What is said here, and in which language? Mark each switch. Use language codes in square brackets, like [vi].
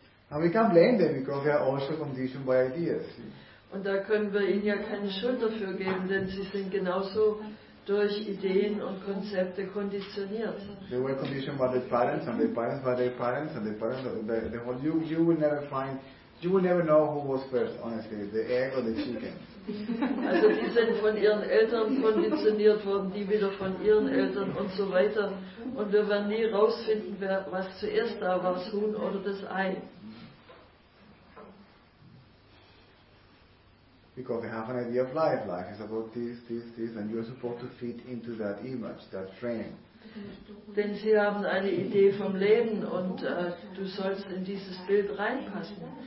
[en] And we can't blame them because they are also conditioned by ideas. [de] Und da können wir ihnen ja keine Schuld dafür geben, denn sie sind genauso durch Ideen und Konzepte konditioniert. [en] They were conditioned by their parents, and their parents by their parents, and their parents. You will never find. You will never know who was first, honestly, the egg or the chicken. [de] Also die sind von ihren Eltern konditioniert worden, die wieder von ihren Eltern und so weiter. Und wir werden nie rausfinden, wer, was zuerst da war, das Huhn oder das Ei. [en] Because they have an idea of life. Life is about this, this, this, and you are supposed to fit into that image, that frame. [de] Denn sie haben eine Idee vom Leben und du sollst in dieses Bild reinpassen.